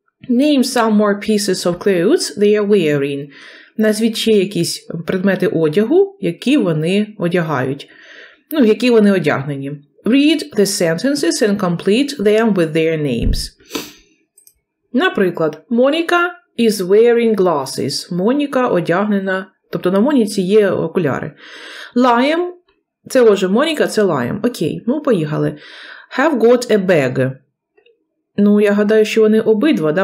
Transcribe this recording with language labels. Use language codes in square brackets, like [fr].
[en] Name some more pieces of clothes they are wearing. [uk] Назвіть ще якісь предмети одягу, які вони одягають. Ну, які вони одягнені. [en] Read the sentences and complete them with their names. [uk] Наприклад, [en] Monica is wearing glasses. [uk] Моніка одягнена, тобто на Моніці є окуляри. Liam, це вже Моніка, це Liam. Окей, ну поїхали. [en] Have got a bag. [uk] Ну, я гадаю, що вони обидва, да?